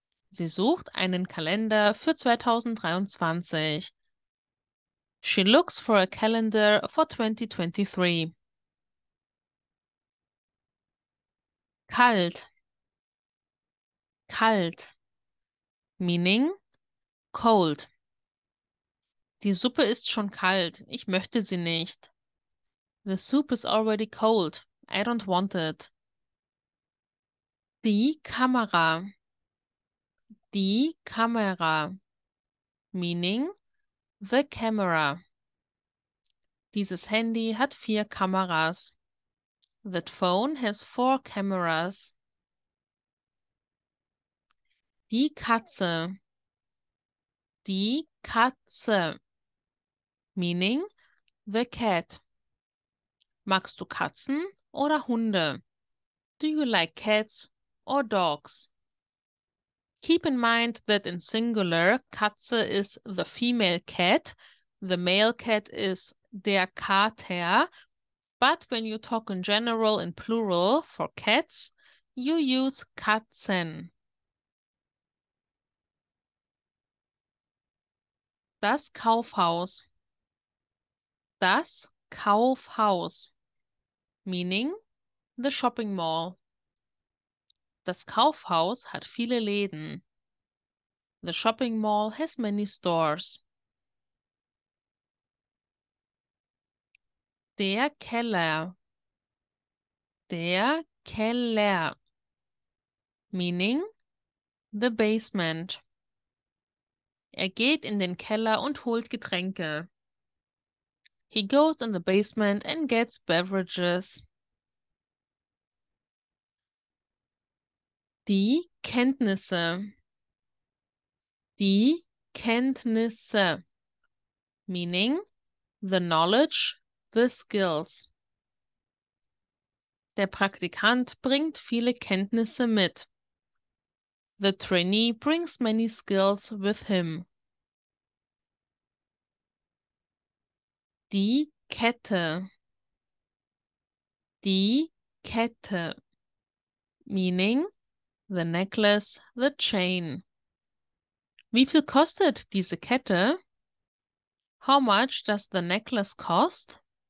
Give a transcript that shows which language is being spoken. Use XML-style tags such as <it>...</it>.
<de>Sie sucht einen Kalender für 2023.</de> <en>She looks for a calendar for 2023.</en> <de>Kalt. Kalt.</de> <en>Meaning cold.</en> <de>Die Suppe ist schon kalt. Ich möchte sie nicht.</de> <en>The soup is already cold. I don't want it.</en> <de>Die Kamera. Die Kamera.</de> <en>Meaning the camera.</en> <de>Dieses Handy hat 4 Kameras.</de> <en>That phone has 4 cameras.</en> <de>Die Katze. Die Katze.</de> <en>Meaning the cat.</en> <de>Magst du Katzen oder Hunde?</de> <en>Do you like cats or dogs? Keep in mind that in singular, Katze is the female cat, the male cat is der Kater, but when you talk in general in plural for cats, you use Katzen.</en> <de>Das Kaufhaus. Das Kaufhaus,</de> <en>meaning the shopping mall.</en> <de>Das Kaufhaus hat viele Läden.</de> <en>The shopping mall has many stores.</en> <de>Der Keller. Der Keller,</de> <en>meaning the basement.</en> <de>Er geht in den Keller und holt Getränke.</de> <en>He goes in the basement and gets beverages.</en> <de>Die Kenntnisse. Die Kenntnisse.</de> <en>Meaning the knowledge, the skills.</en> <de>Der Praktikant bringt viele Kenntnisse mit.</de> <en>The trainee brings many skills with him.</en> <de>Die Kette. Die Kette.</de> <en>Meaning the necklace, the chain.</en> <de>Wie viel kostet diese Kette?</de> <en>How much does the necklace cost?</en>